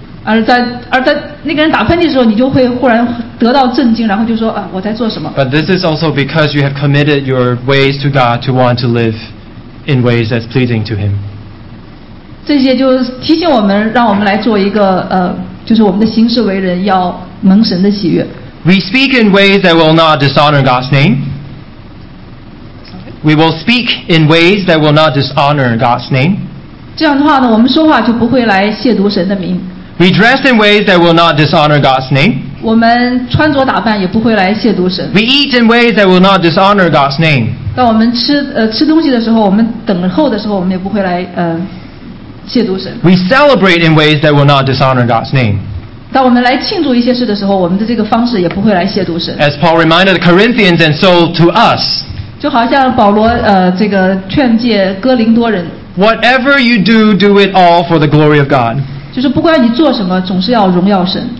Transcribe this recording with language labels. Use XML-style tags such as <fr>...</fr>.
<zh>而在那个人打喷嚏的时候，你就会忽然得到震惊，然后就说啊，我在做什么。</zh> <en>But this is also because you have committed your ways to God to want to live in ways that's pleasing to Him.</en> <zh>这些就提醒我们，让我们来做一个就是我们的行事为人要蒙神的喜悦。</zh> <en>We speak in ways that will not dishonor God's name. We will speak in ways that will not dishonor God's name.</en> <zh>这样的话呢，我们说话就不会来亵渎神的名。</zh> <en>We dress in ways that will not dishonor God's name.</en> <zh>我们穿着打扮也不会来亵渎神。</zh> <en>We eat in ways that will not dishonor God's name.</en> <zh>当我们吃东西的时候，我们等候的时候，我们也不会来亵渎神。</zh> <en>We celebrate in ways that will not dishonor God's name.</en> <zh>当我们来庆祝一些事的时候，我们的这个方式也不会来亵渎神。</zh> <en>As Paul reminded the Corinthians and so to us.</en> <zh>就好像保罗这个劝诫哥林多人。</zh> <en>Whatever you do, do it all for the glory of God.</en> <zh>就是不管你做什么，总是要荣耀神。</zh>